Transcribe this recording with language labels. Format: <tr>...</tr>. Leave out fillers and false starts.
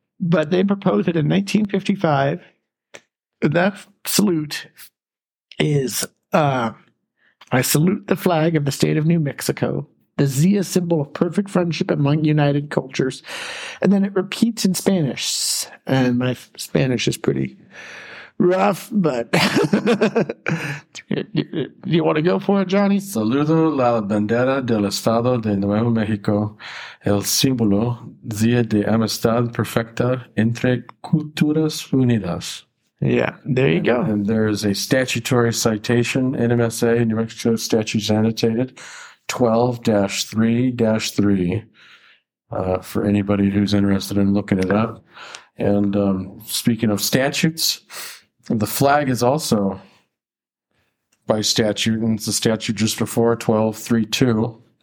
<en>But they proposed it in 1955. That salute is, I salute the flag of the state of New Mexico, the Zia symbol of perfect friendship among united cultures. And then it repeats in Spanish. And my Spanish is pretty rough, but do you want to go for it, Johnny?</en> <es>Saludo la bandera del Estado de Nuevo México, el símbolo Zia de amistad perfecta entre culturas unidas.</es> <en>Yeah, there you go. And there is a statutory citation, NMSA, New Mexico Statutes Annotated, 12-3-3, for anybody who's interested in looking it up. And speaking of statutes, the flag is also by statute, and it's a statute just before 12-3-2.</en>